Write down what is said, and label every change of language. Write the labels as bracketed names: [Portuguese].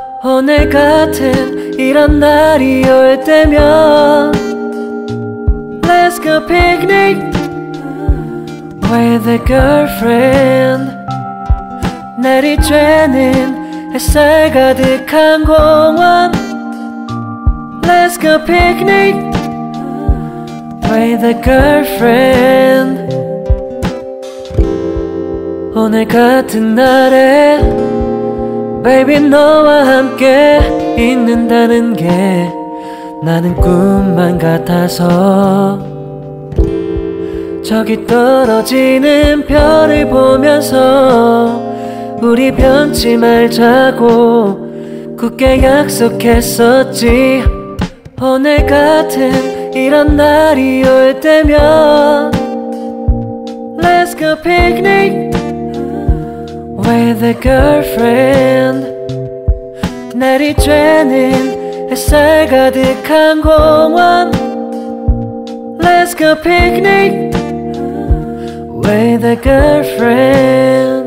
[Korean] 오늘 같은 이런 날이 올 때면 [English] Let's go picnic with a girlfriend. [Korean] 날이 쬐는 햇살 가득한 공원. [English] Let's go picnic with a girlfriend. [Korean] 오늘 같은 날에 Baby 너와 함께 있는다는 게 나는 꿈만 같아서. 저기 떨어지는 별을 보면서 우리 변치 말자고 굳게 약속했었지. 오늘 같은 이런 날이 올 때면 [English] Let's go picnic with a girlfriend. [Korean] 날이 쬐는 햇살 가득한 공원. [English] Let's go picnic with a girlfriend.